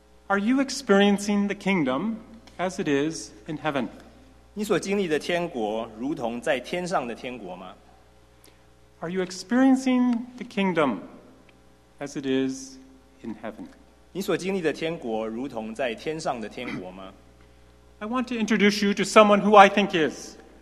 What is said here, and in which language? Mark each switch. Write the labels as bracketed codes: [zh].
[en] Are you experiencing the kingdom as it is in heaven? [zh] 你所经历的天国如同在天上的天国吗? [en] Are you experiencing the kingdom as it is in heaven? [zh] 你所经历的天国如同在天上的天国吗? [en] I want to introduce you to someone who I think is.